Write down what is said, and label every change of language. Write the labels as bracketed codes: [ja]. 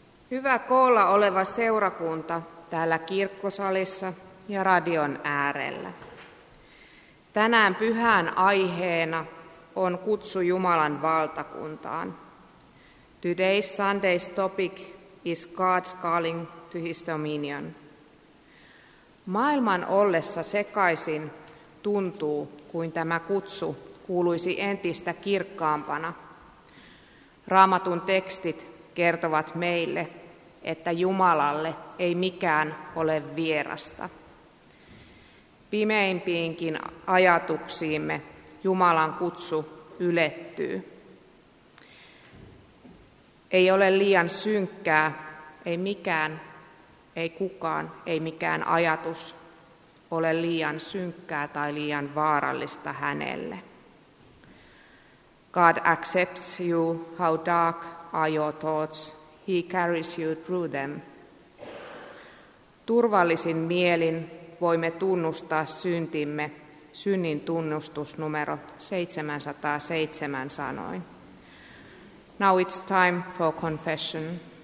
[fi] Hyvä koolla oleva seurakunta täällä kirkkosalissa ja radion äärellä. Tänään pyhän aiheena on kutsu Jumalan valtakuntaan. [en] Today's Sunday's topic is God's calling to his dominion. [fi] Maailman ollessa sekaisin tuntuu, kuin tämä kutsu kuuluisi entistä kirkkaampana. Raamatun tekstit kertovat meille, että Jumalalle ei mikään ole vierasta. Pimeimpiinkin ajatuksiimme Jumalan kutsu ylettyy. Ei ole liian synkkää, ei mikään, ei kukaan, ei mikään ajatus ole liian synkkää tai liian vaarallista hänelle. [en] God accepts you, how dark are your thoughts? He carries you through them. [fi] Turvallisin mielin voimme tunnustaa syntimme, synnin tunnustusnumero 707 sanoin. [en] Now it's time for confession.